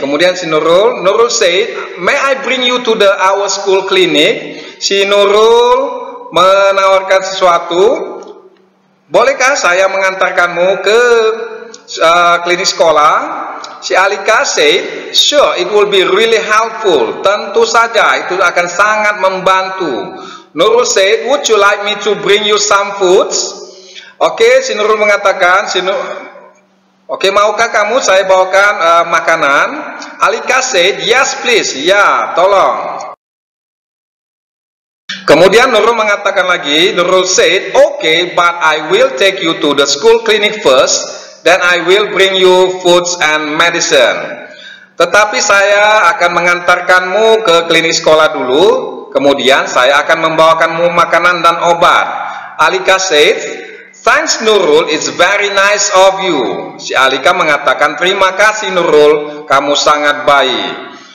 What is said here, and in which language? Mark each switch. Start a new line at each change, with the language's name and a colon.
Indonesian: Kemudian si
English: Nurul said, may I bring you to the our school clinic?
Indonesian: Si Nurul menawarkan sesuatu. Bolehkah saya mengantarkanmu ke klinik sekolah?
English: Si Alika said, sure, it will be really helpful.
Indonesian: Tentu saja, itu akan sangat membantu.
English: Nurul said, would you like me to bring you some foods?
Indonesian: Okay, si Nurul mengatakan, Oke, maukah kamu saya bawakan makanan?
English: Alika said, yes please,
Indonesian: ya, tolong. Kemudian Nurul mengatakan lagi,
English: Nurul said, okay, but I will take you to the school clinic first, then I will bring you foods and medicine.
Indonesian: Tetapi saya akan mengantarkanmu ke klinik sekolah dulu, kemudian saya akan membawakanmu makanan dan obat.
English: Alika said, thanks Nurul, it's very nice of you.
Indonesian: Si Alika mengatakan, terima kasih Nurul, kamu sangat baik.